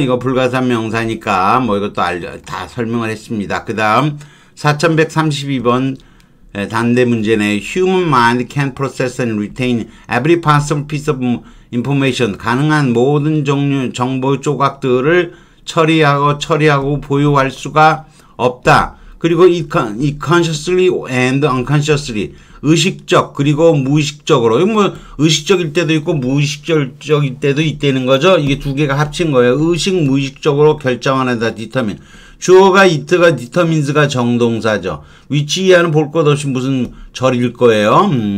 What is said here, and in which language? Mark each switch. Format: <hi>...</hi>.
<ko>이거 불가산 명사니까 뭐 이것도 다 설명을 했습니다. 그다음 4132번 단대 문제네.</ko> <en>Human mind can process and retain every possible piece of information.</en> <ko>가능한 모든 종류 정보 조각들을 처리하고 보유할 수가 없다. 그리고</ko> <en>it consciously and unconsciously.</en> <ko>의식적 그리고 무의식적으로. 이거 뭐 의식적일 때도 있고 무의식적일 때도 있다는 거죠. 이게 두 개가 합친 거예요. 의식 무의식적으로 결정하는다 determine. 주어가 it가 determines가 정동사죠. which 이하는 볼 것 없이 무슨 절일 거예요.</ko>